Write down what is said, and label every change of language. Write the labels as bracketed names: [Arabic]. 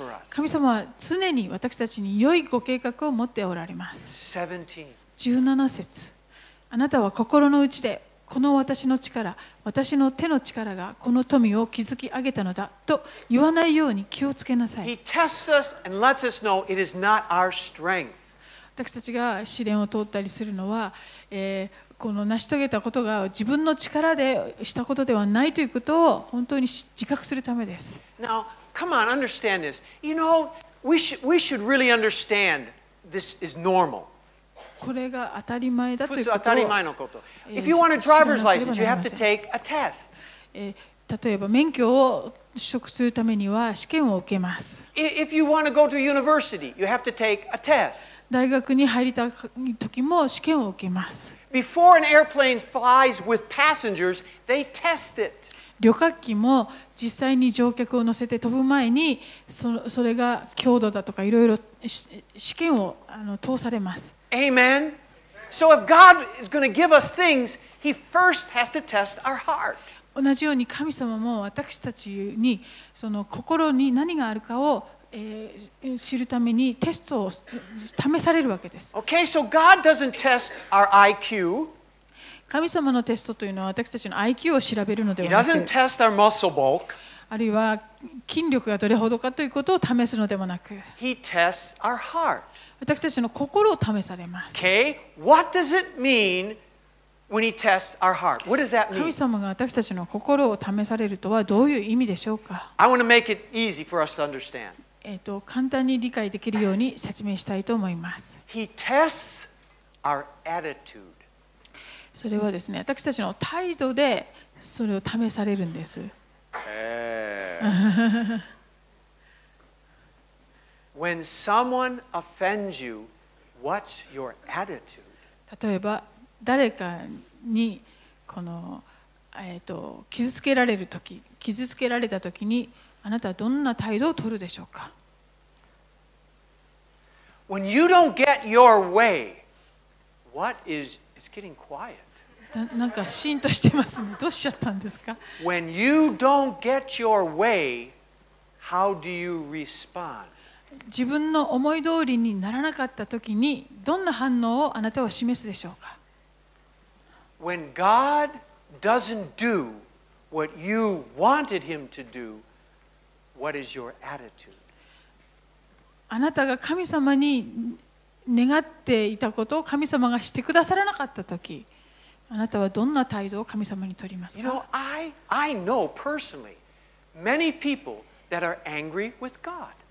[Japanese] 神様は常に私たちに良いご計画を持っておられます。17節。あなたは心の内で、この私の力、私の手の力がこの富を築き上げたのだと言わないように気をつけなさい。 [English] He tests us and lets us know it is not our strength. [Japanese] 私たちが試練を通ったりするのは、この成し遂げたことが自分の力でしたことではないということを本当に自覚するためです。 [English] Now, come on, understand this. You know, we should really understand this is normal. [Japanese] これが当たり前だということ。当たり前のこと。 [English] If you want a driver's license, you have to take a test. [Japanese] 例えば免許を取得するためには試験を受けます。 [English] If you want to go to university, you have to take a test. [Japanese] 大学に入りたい時も試験を受けます。 [English] Before an airplane flies with passengers, they test it. [Japanese] 旅客機も実際に乗客を乗せて飛ぶ前に、それが強度だとかいろいろ試験を通されます。 [English] Amen. So if God is going to give us things, He first has to test our heart. [Japanese] 同じように神様も私たちにその心に何があるかを知るためにテストを試されるわけです。 [English] Okay, so God doesn't test our IQ. [Japanese] 神様のテストというのは私たちの IQ を調べるのではなく、 [English] He doesn't test our muscle bulk. [Japanese] あるいは筋力がどれほどかということを試すのではなく、 [English] He tests our heart. [Japanese] 私たちの心を試されます。 [English] Okay, what does it mean when He tests our heart? What does that mean? [Japanese] 神様が私たちの心を試されるとはどういう意味でしょうか? [English] I want to make it easy for us to understand. [Japanese] 簡単に理解できるように説明したいと思います。 [English] He tests our attitude. [Japanese] それはですね、私たちの態度でそれを試されるんです。 [English] When someone offends you, what's your attitude? [Japanese] 例えば誰かにこの傷つけられるとき、傷つけられたときにあなたはどんな態度を取るでしょうか。 [English] When you don't get your way, what is? It's getting quiet. [Japanese] なんかシーンとしてますね。どうしちゃったんですか? [English] When you don't get your way, how do you respond? [Japanese] 自分の思い通りにならなかった時にどんな反応をあなたは示すでしょうか? [English] When God doesn't do what you wanted Him to do, What is your attitude? [Japanese] あなたが神様に願っていたことを神様がしてくださらなかったとき、あなたはどんな態度を神様にとりますか？ [English] You know, I know personally many people that are angry with God.